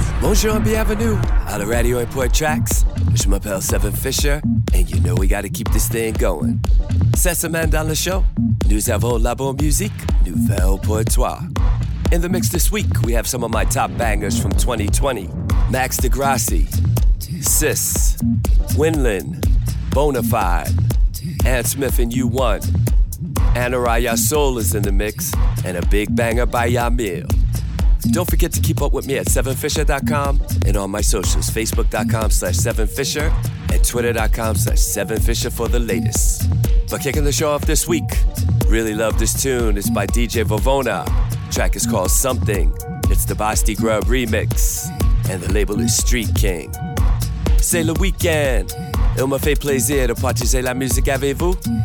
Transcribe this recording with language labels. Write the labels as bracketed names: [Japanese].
[French] Bonjour, bienvenue à la radio import tracks. Je m'appelle Seven Fisher, [English] and you know we gotta keep this thing going. [French] Cette semaine dans le show, nous avons la bonne musique, nouvelle pour toi. [English] In the mix this week, we have some of my top bangers from 2020. Max Degrassi, Sis, Winland, Bonafide, Ant Smith and U1. Anaraya Soul is in the mix, and a big banger by Yamil. Don't forget to keep up with me at 7fisher.com and on my socials, facebook.com/7fisher and twitter.com/7fisher for the latest. But kicking the show off this week, really love this tune. It's by DJ Vovona. Track is called Something. It's the Basti Grub remix, and the label is Street King. [French] C'est le weekend. Il me fait plaisir de partager la musique avec vous.